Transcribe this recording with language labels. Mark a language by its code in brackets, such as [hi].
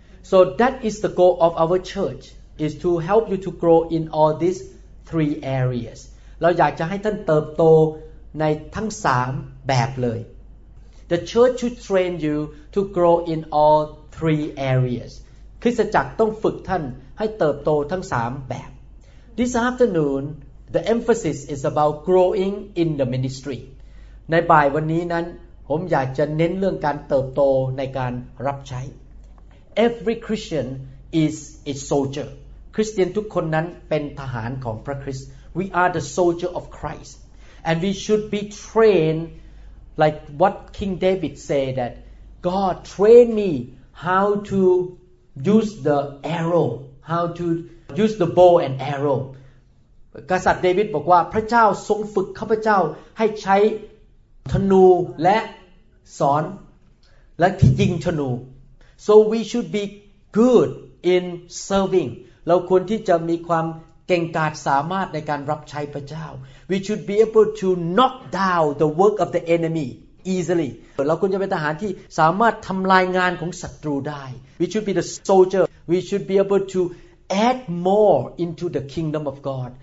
[en] So that is the goal of our church is to help you to grow in all these three areas [th] เราอยากจะให้ท่านเติบโตในทั้ง3แบบเลย [en] The church should train you to grow in all three areas [th] คริสตจักรต้องฝึกท่านให้เติบโตทั้ง3แบบ [en] This afternoonThe emphasis is about growing in the ministry. [th] ในบ่ายวันนี้นั้นผมอยากจะเน้นเรื่องการเติบโตในการรับใช้ [en] Every Christian is a soldier. [th] คริสเตียนทุกคนนั้นเป็นทหารของพระคริสต์ [en] We are the soldier of Christ. And we should be trained like what King David said that God train me how to use the arrow, how to use the bow and arrow. [th] กษัตริย์เดวิดบอกว่าพระเจ้าทรงฝึกข้าพเจ้าให้ใช้ธนูและศรและที่ยิงธนู [en] so we should be good in serving [th] เราควรที่จะมีความเก่งกาจสามารถในการรับใช้พระเจ้า [en] we should be able to knock down the work of the enemy easily [th] เราควรจะเป็นทหารที่สามารถทำลายงานของศัตรูได้ [en] we should be the soldier we should be able toAdd more into the kingdom of God.